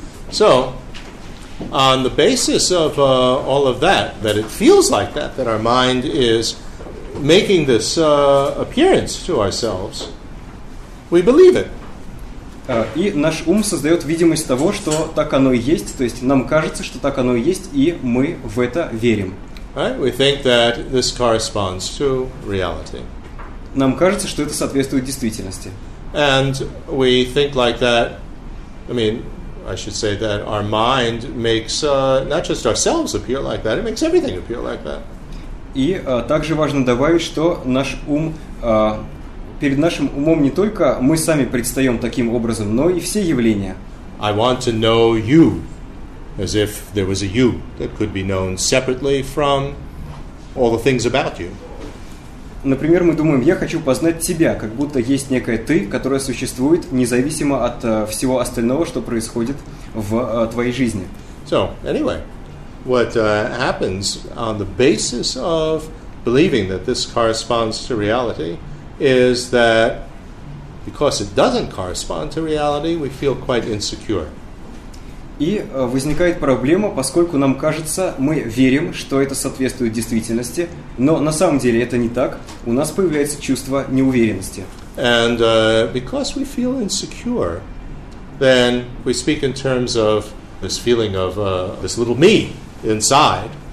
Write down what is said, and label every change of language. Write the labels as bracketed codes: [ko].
[en] So, on the basis of all of that, that it feels like that, that our mind is making this appearance to ourselves, we believe it. [ru] И наш ум создает видимость того, что так оно и есть, то есть нам кажется, что так оно и есть, и мы в это верим. [en] Right? We think that this corresponds to reality. [ru] Нам кажется, что это соответствует действительности. [en] And we think like that, I mean, I should say that our mind makes not just ourselves appear like that, it makes everything appear like that. [ru] И также важно добавить, что наш ум, перед нашим умом не только мы сами предстаем таким образом, но и все явления. [en] I want to know you, as if there was a you that could be known separately from all the things about you. [ru] Например, мы думаем, я хочу познать тебя, как будто есть некое ты, которое существует независимо от всего остального, что происходит в твоей жизни. [en] So, anyway, what happens on the basis of believing that this corresponds to reality is that because it doesn't correspond to reality, we feel quite insecure. [ru] И возникает проблема, поскольку нам кажется, мы верим, что это соответствует действительности, но на самом деле это не так, у нас появляется чувство неуверенности. [en] And because we feel insecure, then we speak in terms of this feeling of this little me inside.